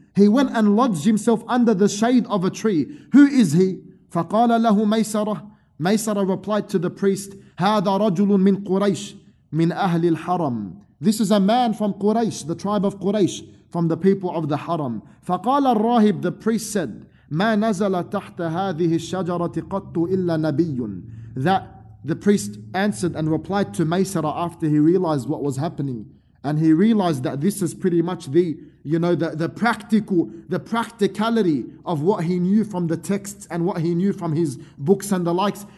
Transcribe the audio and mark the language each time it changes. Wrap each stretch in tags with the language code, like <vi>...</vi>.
<en>He went and lodged himself under the shade of a tree. Who is he?</en> <ar>فَقَالَ لَهُ مَيْسَرَةَ.</ar> <en>Maysarah replied to the priest,</en> <ar>هَذَا رَجُلٌ مِنْ قُرَيْشِ مِنْ أَهْلِ الْحَرَمِ.</ar> <en>This is a man from Quraysh, the tribe of Quraysh, from the people of the Haram.</en> <ar>فقال الراهب,</ar> <en>the priest said,</en> <ar>ما نزل تحت هذه الشجرة قط إلا نبي.</ar> <en>That the priest answered and replied to Maysarah after he realized what was happening, and he realized that this is pretty much the practicality of what he knew from the texts and what he knew from his books and the likes.</en>